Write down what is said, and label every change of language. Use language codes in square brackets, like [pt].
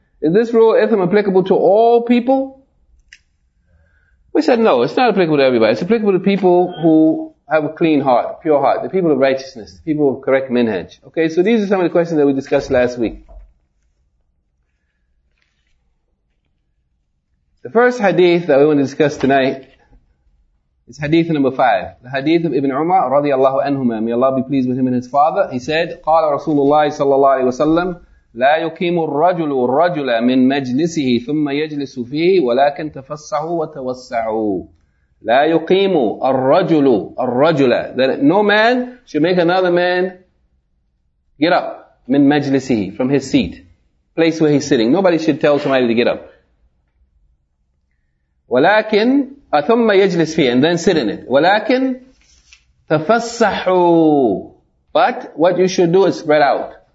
[en] Is this rule ithm applicable to all people? We said no, it's not applicable to everybody. It's applicable to people who have a clean heart, a pure heart, the people of righteousness, the people of correct minhaj. Okay, so these are some of the questions that we discussed last week. The first hadith that we want to discuss tonight is hadith number 5. The hadith of Ibn Umar, radiallahu anhumah, may Allah be pleased with him and his father. He said, [ar] قال رسول الله صلى الله عليه وسلم لا يقيم الرجل الرجل من مجلسه ثم يجلس فيه ولكن تفسحوا وتوسعوا. لا يقيم الرجل الرجل. [en] That no man should make another man get up [ar] من مجلسه, [en] from his seat, place where he's sitting. Nobody should tell somebody to get up. [ar] ولكن ثم يجلس فيه, [en] and then sit in it. [ar] ولكن تفسحوا, [en] but what you should do is spread out.